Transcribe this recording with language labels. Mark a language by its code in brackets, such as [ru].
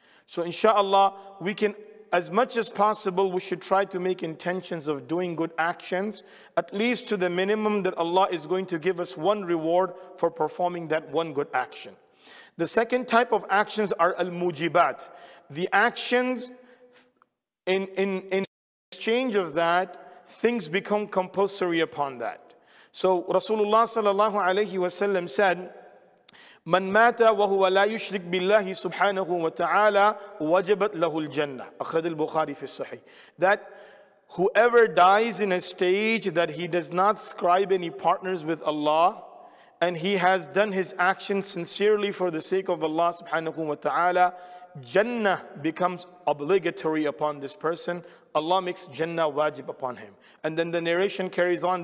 [en] So inshallah, we can, as much as possible, we should try to make intentions of doing good actions, at least to the minimum that Allah is going to give us one reward for performing that one good action. The second type of actions are al-mujibat. The actions, in exchange of that, things become compulsory upon that. [ar] So Rasulullah sallallahu alayhi wa sallam said, من مات وهو لا يشرك بالله سبحانه وتعالى وجبت له الجنة أخرج البخاري في الصحيح. [en] That whoever dies in a stage that he does not ascribe any partners with Allah, and he has done his actions sincerely for the sake of Allah [ar] سبحانه وتعالى, [en] Jannah becomes obligatory upon this person. Allah makes Jannah wajib upon him. And then the narration carries on.